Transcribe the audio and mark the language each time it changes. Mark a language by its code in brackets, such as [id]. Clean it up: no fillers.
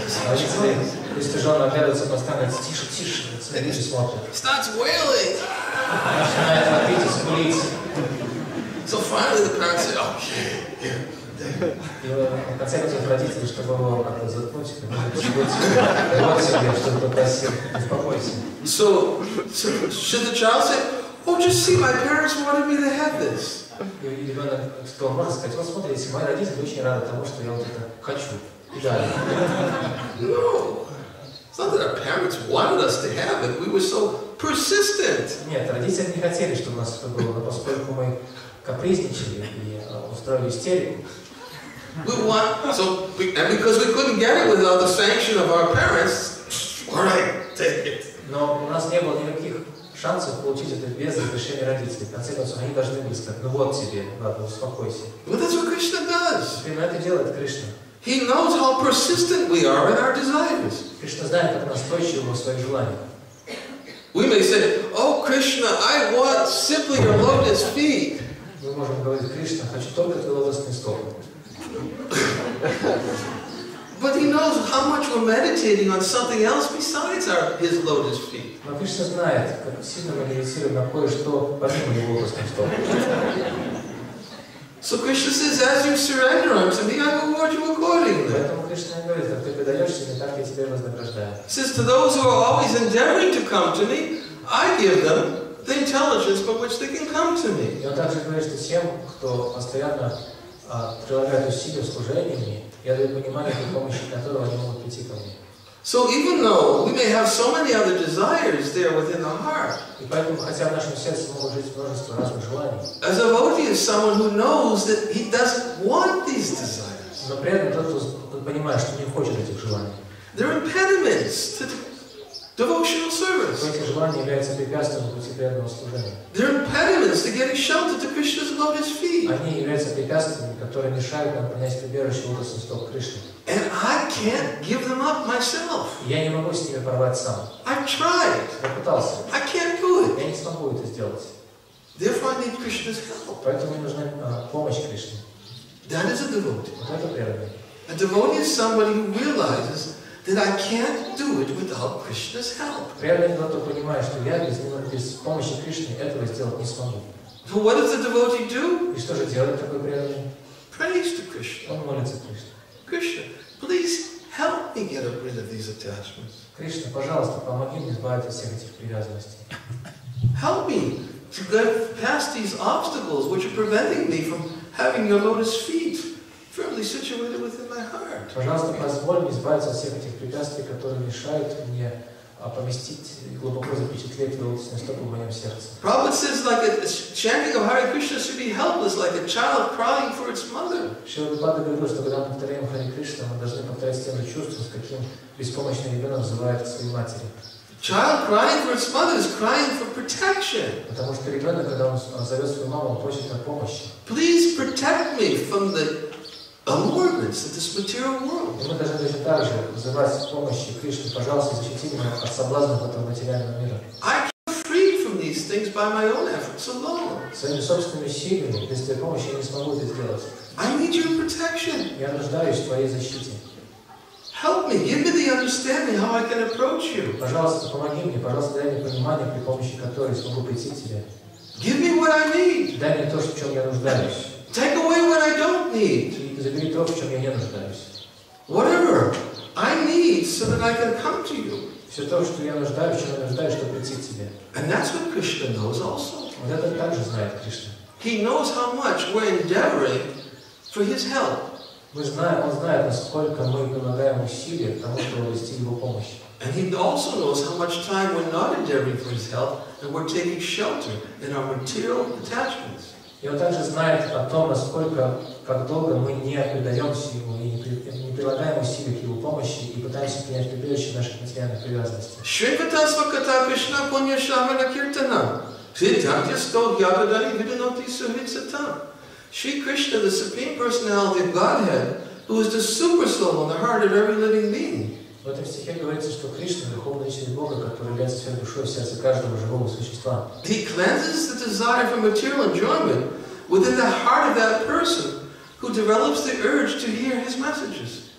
[ru] Родители, если жена оглядывается, постоянно тише, тише, тише, смотрит. [en] Starts wailing. [ru] Начинает вопить и скулить. [en] So finally the parents say, oh, shit, yeah. [ru] И в конце концов родители, чтобы его как-то заткнуть, вот себе что-то просил, успокойся. [en] So, should the child say, oh, just see, my parents wanted me to have this. [ru] И ребенок сказал, можно сказать, вот смотри, если мои родители очень рады тому, что я вот это хочу. Да. [en] No, it's not that our parents wanted us to have it, we were so persistent. [ru] Нет, родители не хотели, чтобы у нас это было, но поскольку мы капризничали и устроили истерику, [en] we want, so, and because we couldn't get it without the sanction of our parents, all right, take it. [ru] Но у нас не было никаких шансов получить это без разрешения родителей. В конце концов, они должны были сказать, ну вот тебе, ладно, успокойся. [en] But that's what Krishna does. [ru] Именно это делает Кришна. [en] He knows how persistent we are in our desires. [ru] Кришна знает, как настойчивы мы в своих желаниях. [en] We may say, oh, Krishna, I want simply your lotus feet. [ru] Мы можем говорить, Кришна, хочу только твои лотосные стопы. [en] But he knows how much we're meditating on something else besides his lotus feet. [ru] Но Кришна знает, как сильно мы медитируем на кое-что помимо его лотосных стоп. [en] So Krishna says, as you surrender unto me, I reward you accordingly. [ru] Поэтому Кришна говорит, как ты предаешься мне, так я тебя вознаграждаю. [en] Says to those who are always endeavoring to come to me, I give them the intelligence by which they can come to me. [ru] И он также говорит, что тем, кто постоянно прилагают усилия в служении мне, я даю понимание, при помощи которого они могут прийти ко мне. [en] So even though we may have so many other desires there within the heart, [ru] и поэтому, хотя в нашем сердце могут жить множество разных желаний, [en] as a devotee is someone who knows that he doesn't want these desires. [ru] Но при этом тот, кто понимает, что не хочет этих желаний. [en] They're impediments to devotional service. [ru] Эти желания являются препятствием пути преданного служения. [en] They're impediments to getting shelter to Krishna's lotus feet. [ru] Они являются препятствиями, которые мешают нам принять прибежище лотосных стоп Кришны. [en] And I can't give them up myself. [ru] Я не могу с ними порвать сам. [en] I've tried. [ru] Я пытался. [en] I can't do it. [ru] Я не смогу это сделать. [en] Therefore, I need Krishna's help. [ru] Поэтому мне нужна помощь Кришны. [en] That is a devotee. [ru] Вот это преданный. [en] A devotee is somebody who realizes that I can't do it without Krishna's help. [ru] Преданный тот, кто понимает, что я без помощи Кришны этого сделать не смогу. [en] So what does the devotee do? [ru] И что же делает такой преданный? [en] Prays to Krishna. [ru] Он молится Кришне. [en] Krishna, please help me get rid of these attachments. [ru] Кришна, пожалуйста, помоги мне избавиться от всех этих привязанностей. [en] Help me to get past these obstacles which are preventing me from having your lotus feet firmly situated within my heart. [ru] Пожалуйста, позволь мне избавиться от всех этих препятствий, которые мешают мне поместить и глубоко запечатлеть лотосные стопы в моем сердце. [en] Prabhupada says, like a chanting of Hare Krishna should be helpless, like a child crying for its mother. [ru] Шрила Прабхупада говорил, что когда мы повторяем Хари Кришна, мы должны повторять тем же чувством, с каким беспомощный ребенок взывает к своей матери. [en] Child crying for its mother is crying for protection. [ru] Потому что ребенок, когда он зовет свою маму, он просит о помощи. [en] Please protect me from the allurements of this material world. [ru] Мы должны точно так же взывать помощи Кришны. Пожалуйста, защити меня от соблазнов этого материального мира. [en] I can free from these things by my own efforts alone. [ru] Своими собственными силами, без твоей помощи, я не смогу это сделать. [en] I need your protection. [ru] Я нуждаюсь в твоей защите. [en] Help me, give me the understanding how I can approach you. [ru] Пожалуйста, помоги мне, пожалуйста, дай мне понимание, при помощи которого я смогу прийти к тебе. [en] Give me what I need. [ru] Дай мне то, в чем я нуждаюсь. [en] Take away what I don't need. [ru] Забери то, в чем я не нуждаюсь. [en] Whatever I need so that I can come to you. [ru] Все то, что я нуждаюсь, чем я нуждаюсь, чтобы прийти к тебе. [en] And that's what Krishna knows also. [ru] Вот это также знает Кришна. [en] He knows how much we're endeavoring for his help. [ru] Мы знаем, он знает, насколько мы прилагаем усилия к тому, чтобы вести его помощь. [en] And he also knows how much time we're not endeavoring for his help and we're taking shelter in our material attachments. [ru] И он также знает о том, насколько, как долго мы не предаемся ему и не прилагаем усилий к его помощи и пытаемся принять прибежище наших материальных привязанностей. [en] Шри Кришна, the Supreme Personality of Godhead, who is the Super Soul in the heart of every living being. [ru] В этом стихе говорится, что Кришна — духовная часть Бога, который является всей душой и сердце каждого живого существа. [en] He cleanses the desire for material enjoyment within the heart of that person who develops the urge to hear his messages.